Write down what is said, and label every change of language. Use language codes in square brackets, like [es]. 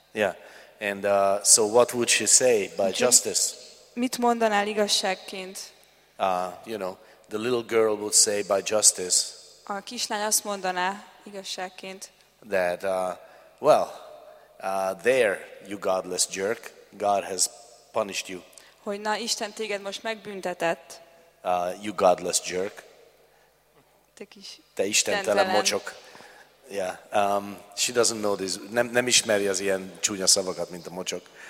[en] Yeah, and so what would she say by justice? [hu] Mit mondanál igazságként? [en] You know, the little girl would say by justice. [hu] A kislány azt mondaná igazságként. [en] That there, you godless jerk, God has punished you. [hu] Hogy na, Isten téged most megbüntetett. [en] You godless jerk. [hu] Te istentelen mocsok. [en] Yeah. She doesn't know this. [hu] Nem ismeri az ilyen csúnya szavakat, mint a mocsok.